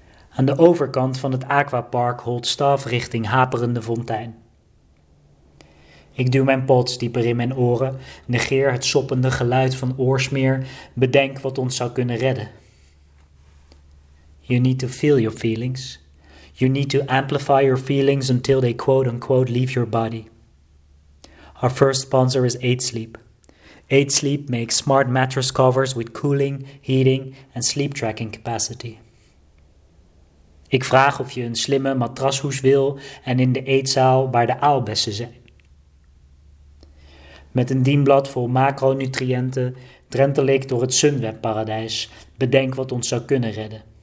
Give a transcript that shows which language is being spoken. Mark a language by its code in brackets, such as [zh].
[nl] Aan de overkant van het aquapark holt Staf richting haperende fontein. Ik duw mijn pots dieper in mijn oren, negeer het soppende geluid van oorsmeer, bedenk wat ons zou kunnen redden. [en] You need to feel your feelings. You need to amplify your feelings until they quote-unquote leave your body. Our first sponsor is 8Sleep. 8Sleep makes smart mattress covers with cooling, heating and sleep tracking capacity. [nl] Ik vraag of je een slimme matrashoes wil en in de eetzaal waar de aalbessen zijn. Met een dienblad vol macronutriënten drentel ik door het Sunweb-paradijs. Bedenk wat ons zou kunnen redden.